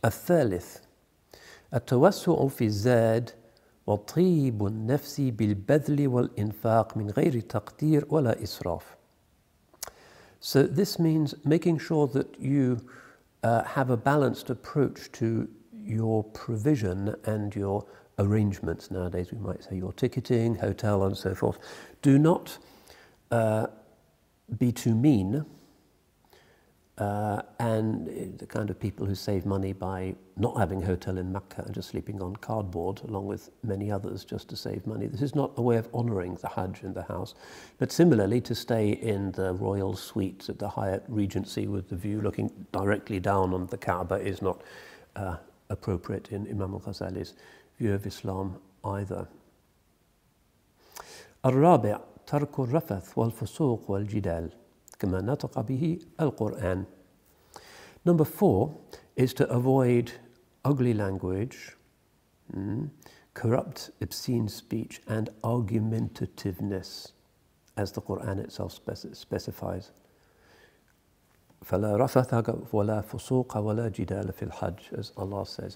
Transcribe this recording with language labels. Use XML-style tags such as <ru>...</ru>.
<ar>الثالث, التوسع في الزاد وطيب النفس بالبذل والإنفاق من غير تقدير ولا إسراف.</ar> <en>So this means making sure that you have a balanced approach to your provision and your arrangements. Nowadays we might say your ticketing, hotel, and so forth. Do not be too mean. And the kind of people who save money by not having a hotel in Makkah and just sleeping on cardboard, along with many others, just to save money. This is not a way of honouring the Hajj in the house. But similarly, to stay in the royal suite at the Hyatt Regency with the view looking directly down on the Kaaba is not appropriate in Imam al-Ghazali's view of Islam either.</en> <ar>الرابع ترك الرفث والفسوق والجدال كما نطق به القرآن.</ar> <en>Number four is to avoid ugly language, corrupt, obscene speech, and argumentativeness, as the Quran itself specifies.</en> <ar>فَلَا رَفَثَ وَلَا فُسُوقَ وَلَا جِدَالَ فِي الْحَجِّ,</ar> <en>as Allah says.</en>